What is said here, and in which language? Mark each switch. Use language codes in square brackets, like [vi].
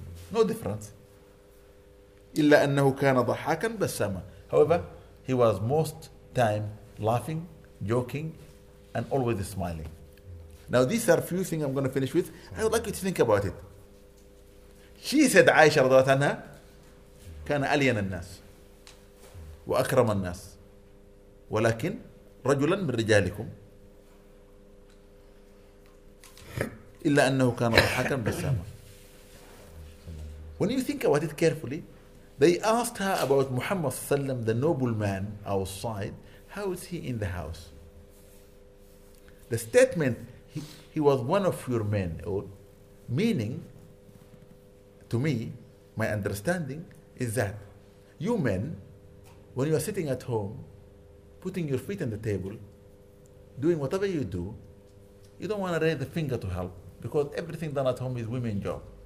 [ar] No difference. إلا أنه كان ضحاكا بساما. [en] However, he was most time laughing, joking, and always smiling. Now, these are a few things I'm going to finish with. I would like you to think about it. She said, Aisha رضي الله عنها, [ar] كان ألين الناس وأكرم الناس، ولكن رجلا من رجالكم، إلا أنه كان ضحكا بسامة. [en] When you think about it carefully, they asked her about Muhammad صلى الله عليه وسلم, the noble man outside, how is he in the house? The statement, he was one of your men, or meaning, to me, my understanding is that you men, when you are sitting at home, putting your feet on the table, doing whatever you do, you don't want to raise a finger to help, because everything done at home is women's job.